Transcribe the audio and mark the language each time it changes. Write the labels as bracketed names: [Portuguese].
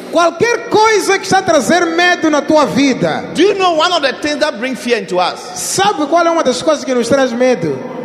[Portuguese] qualquer coisa que está a trazer medo na tua vida. [English] Do you know one of the things that bring fear into us? [Portuguese] Sabe qual é uma das coisas que nos traz medo?